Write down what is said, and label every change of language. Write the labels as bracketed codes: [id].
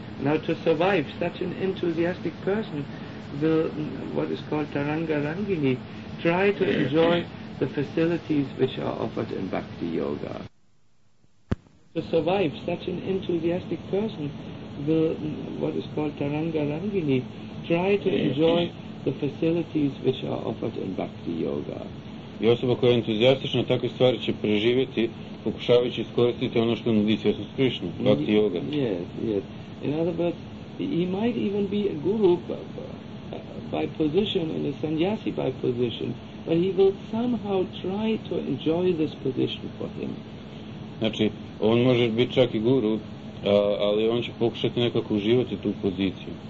[en] Now to survive such an enthusiastic person will, what is called taranga rangini, try to enjoy the facilities which are offered in bhakti yoga. To survive such an enthusiastic person will, what is called taranga rangini, try to enjoy the facilities which are offered in bhakti yoga. [bs] I osoba koja je entuzijastična takve stvari će preživjeti pokušavajući iskoristiti ono što nudi svjesnost Krišne, bhakti yoga. [en] Yes. In other words, he might even be a guru by position and a sannyasi by position, but he will somehow try to enjoy this position for him. [bs] Znači, on može biti čak i guru, ali on će pokušati nekako uživati tu poziciju.